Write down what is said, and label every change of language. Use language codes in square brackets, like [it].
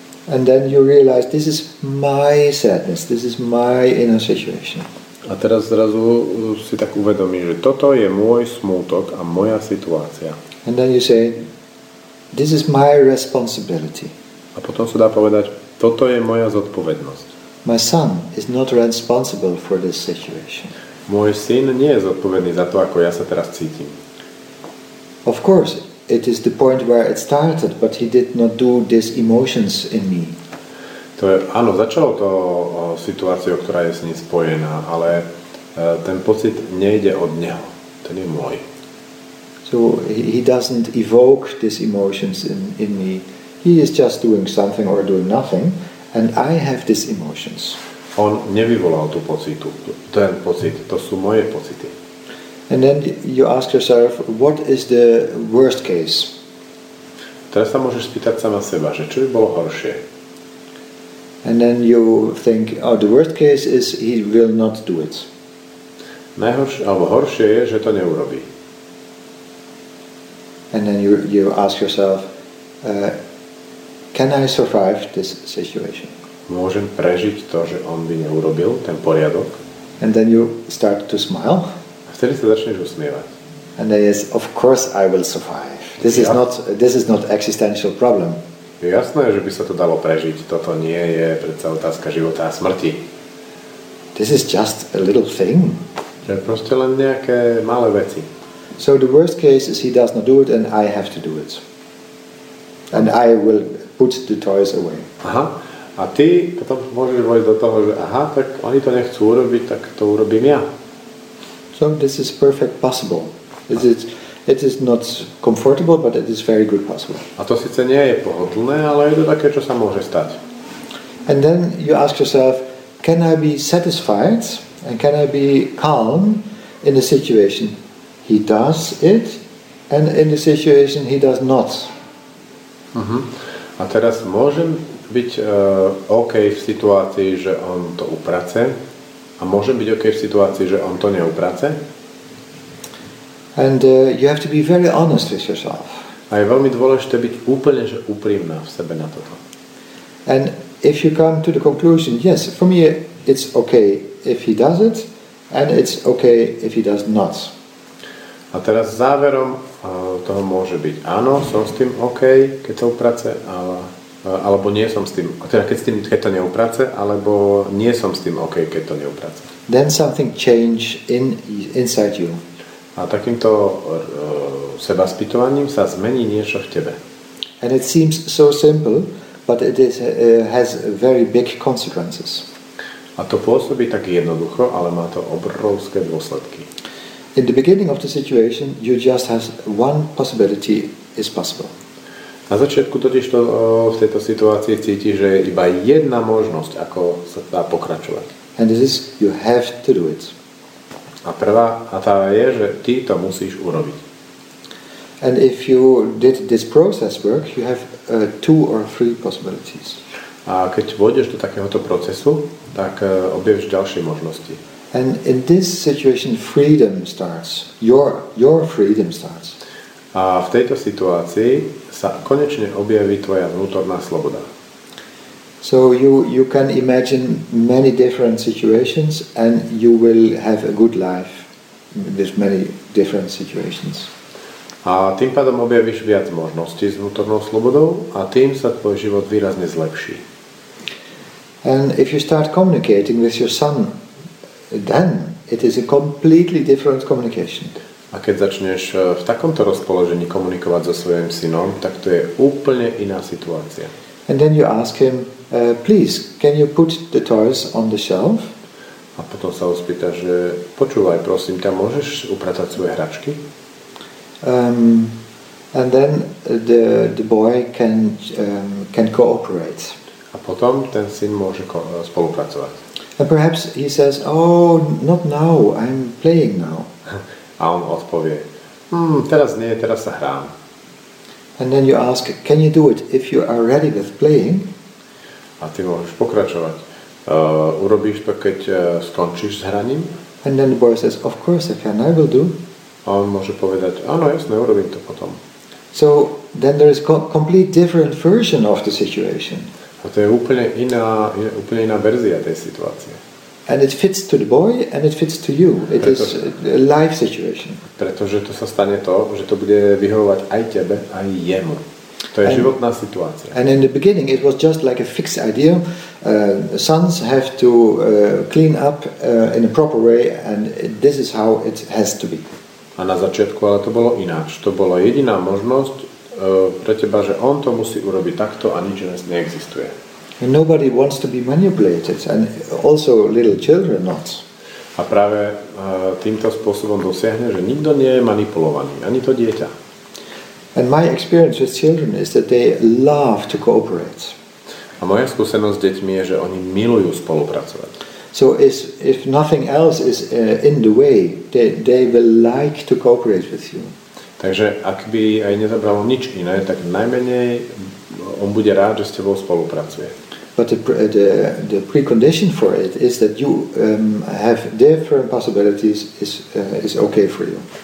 [en] And then you realize this is my sadness, this is my inner situation. [sk] A teraz zrazu si tak uvedomíš, že toto je môj smutok a moja situácia. [en] And then you say this is my responsibility. [sk] A potom sa dá povedať, toto je moja zodpovednosť. [en] My son is not responsible for this situation. [sk] Môj syn nie je zodpovedný za to, ako ja sa teraz cítim. [en] Of course. It is the point where it started, but he did not do these emotions in me. [sk] To je, áno, začalo to situáciou, ktorá je s ním spojená, ale ten pocit nejde od neho. Ten je môj. [en] So he doesn't evoke these emotions in me. He is just doing something or doing nothing, and I have these emotions. [sk] On nevyvolal tú pocitu. Ten pocit, to sú moje pocity. [en] And then you ask yourself, what is the worst case? [sk] Teraz sa môžeš spýtať sama seba, že čo by bolo horšie? [en] And then you think, oh, the worst case is he will not do it. [sk] Najhoršie, alebo horšie je, že to neurobí. [en] And then you ask yourself, can I survive this situation? [sk] Môžem prežiť to, že on by neurobil ten poriadok? [en] And then you start to smile. [sk] Vtedy sa začneš usmievať. [en] And then yes, of course I will survive. This is not existential problem. [sk] Je jasné, že by sa to dalo prežiť. Toto nie je predsa otázka života a smrti. [en] This is just a little thing. [sk] To je proste len nejaké malé veci. [en] So the worst case is he does not do it and I have to do it. And I will put the toys away. Aha. [sk] A ty potom môžeš vojsť do toho, že aha, tak oni to nechcú urobiť, tak to urobím ja. [en] So this is perfect possible. It is not comfortable, but it is very good possible. [sk] A to síce nie je pohodlné, ale je to také, čo sa môže stať. [en] And then you ask yourself, can I be satisfied and can I be calm in the situation he does it and in the situation he does not? [sk] A teraz môžem byť OK v situácii, že on to uprace? A môžem byť OK v situácii, že on to neuprace? [en] And you have to be very honest with yourself. [sk] A je veľmi dôležité byť úplne, že úprimná v sebe na toto. [en] And if you come to the conclusion, yes, for me it's okay if he does it, and it's okay if he does not. [sk] A teraz záverom toho môže byť áno, som s tým OK, keď to uprace, alebo nie som s tým, teda keď s tým, keď to neuprace, alebo nie som s tým OK, keď to neuprace. [en] Then something change in inside you. [sk] A takýmto sebaspytovaním sa zmení niečo v tebe. [en] And it seems so simple, but it is, has very big consequences. [sk] A to pôsobí tak jednoducho, ale má to obrovské dôsledky. [en] In the beginning of the situation, you just have one possibility is possible. [sk] Na začiatku totiž to v tejto situácii cítiš, že je iba jedna možnosť, ako sa dá pokračovať. [en] And this is, you have to do it. [sk] A prvá a tá je, že ty to musíš urobiť. [en] And if you did this process work, you have two or three possibilities. [sk] A keď vôjdeš do takéhoto procesu, tak objavíš ďalšie možnosti. [en] And in this situation freedom starts. Your freedom starts. [sk] A v tejto situácii sa konečne objaví tvoja vnútorná sloboda. [en] So you can imagine many different situations and you will have a good life with many different situations. [sk] A tým pádom objavíš viac možností s vnútornou slobodou a tým sa tvoj život výrazne zlepší. [en] And if you start communicating with your son, then it is a completely different communication. [sk] A keď začneš v takomto rozpoložení komunikovať so svojím synom, tak to je úplne iná situácia. [en] And then you ask him, please, can you put the toys on the shelf? [sk] A potom sa ho spýta, že počúvaj, prosím ťa, môžeš upratať svoje hračky? [en] And then the boy can cooperate. [sk] A potom ten syn môže spolupracovať. [en] And perhaps he says, oh, not now, I'm playing now. [sk] A on odpovie, teraz nie, teraz sa hrám. [en] And then you ask, can you do it if you are ready with playing? [sk] A ty môžeš pokračovať. Urobíš to, keď skončíš s hraním? [en] And then the boy says, of course I can, I will do. [sk] A on môže povedať, áno, jasné, urobím to potom. [en] So then there is complete different version of the situation. [sk] A to je úplne iná verzia tej situácie. [en] And it fits to the boy and it fits to you. It is a life situation. [sk] Pretože to sa stane to, že to bude vyhovovať aj tebe, aj jemu. To je životná situácia. [en] And in the beginning it was just like a fixed idea. Sons have to clean up in a proper way and this is how it has to be. [sk] A na začiatku ale to bolo ináč. To bola jediná možnosť pre teba, že on to musí urobiť takto a nič iné neexistuje. [en] Nobody wants to be manipulated and also little children not. [sk] A práve týmto spôsobom dosiahne, že nikto nie je manipulovaný, ani to dieťa. [en] And my experience with children is that they love to cooperate. [sk] A moja skúsenosť s deťmi je, že oni milujú spolupracovať. [en] So if nothing else is in the way, they will like to cooperate with you. [sk] Takže ak by aj nezabralo nič iné, tak najmenej on bude rád, že s tebou spolupracuje. [en] But the precondition for it is that you have different possibilities is okay for you.